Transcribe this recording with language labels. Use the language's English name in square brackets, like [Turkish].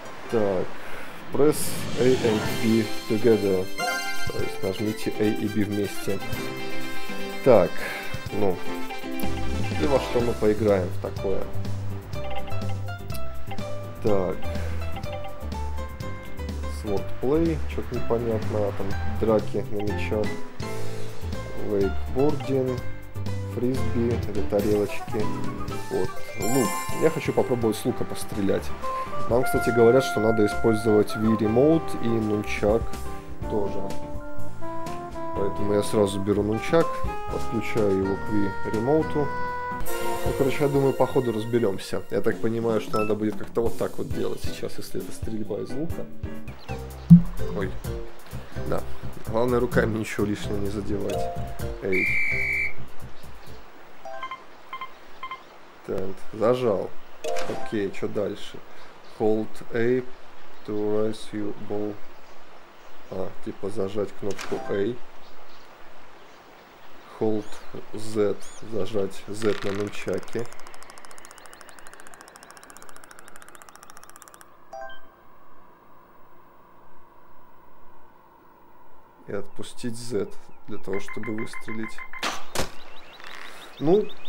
[Russian] Так, [English] press A and B together, [Russian] то есть нажмите A и B вместе. Так, ну, и во что мы поиграем в такое? Так, sword play, что-то непонятно, там драки на мечах, wakeboarding, фрисби, это тарелочки, вот, лук. Я хочу попробовать с лука пострелять. Нам, кстати, говорят, что надо использовать Wii Remote и Нунчак тоже. Поэтому я сразу беру Нунчак, подключаю его к Wii Remote. Ну, короче, я думаю, по ходу разберемся. Я так понимаю, что надо будет как-то вот так вот делать сейчас, если это стрельба из лука. Ой. Да. Главное, руками ничего лишнего не задевать. Эй. Так, зажал. Окей, что дальше? [English] Hold A to raise your ball. [Russian] А, типа зажать кнопку A. Hold Z, зажать Z на нунчаке. И отпустить Z для того, чтобы выстрелить. Ну...